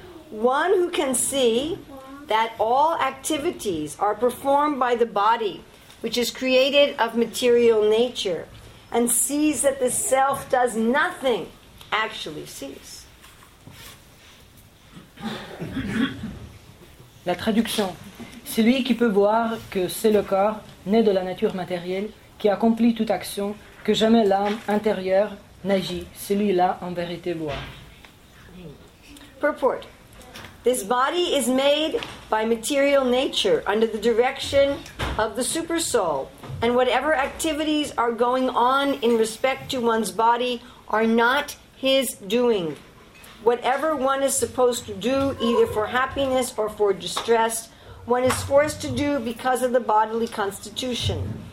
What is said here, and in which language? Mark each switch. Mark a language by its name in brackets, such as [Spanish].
[English] One who can see that all activities are performed by the body, which is created of material nature, and sees that the self does nothing, actually sees. [French] La traduction. Celui qui peut voir que c'est le corps, né de la nature matérielle, qui accomplit toute action, que jamais l'âme intérieure n'agit, celui-là en vérité voit. [English] Purport. This body is made by material nature under the direction of the supersoul, and whatever activities are going on in respect to one's body are not his doing. Whatever one is supposed to do, either for happiness or for distress, one is forced to do because of the bodily constitution.